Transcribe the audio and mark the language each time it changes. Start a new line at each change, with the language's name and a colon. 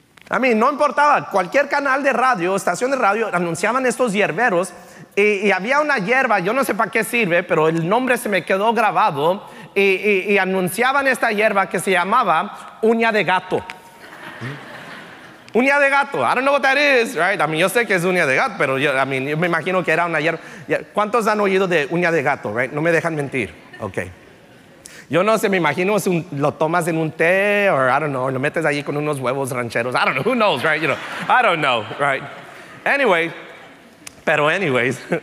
Spanish: A mí no importaba, cualquier canal de radio, estación de radio, anunciaban estos hierberos. Y había una hierba, yo no sé para qué sirve, pero el nombre se me quedó grabado. Y anunciaban esta hierba que se llamaba uña de gato.
English: Uña de gato, I don't know what that is, right? I mean,
Spanish: yo sé que es uña de gato, pero yo me imagino que era una hierba. ¿Cuántos han oído de uña de gato, right? No me dejan mentir, okay. Yo no sé, me imagino si lo tomas en un té,
English: or I don't know,
Spanish: lo metes allí con unos huevos rancheros.
English: I don't know, who knows, right? You know, I don't know, right? Anyway, pero anyways.